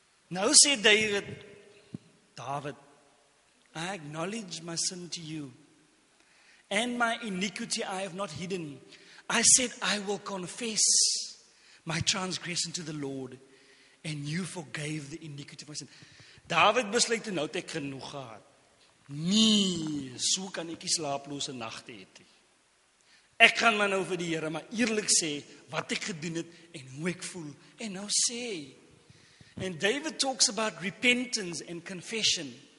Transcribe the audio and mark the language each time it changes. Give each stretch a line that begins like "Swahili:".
Afrikaans: Nou sê
English: David, I acknowledge my sin to you. and my iniquity I have not hidden. I said, I will confess my transgression to the Lord, and you forgave the iniquity of my sin.
Afrikaans: David besluit nou het ek genoeg gehad. Nee, so kan ek nie slaaplose nagte hê nie. Ek gaan maar nou vir die Here maar eerlik sê wat ek gedoen het en hoe ek voel. En nou sê,
English: and David talks about repentance and confession.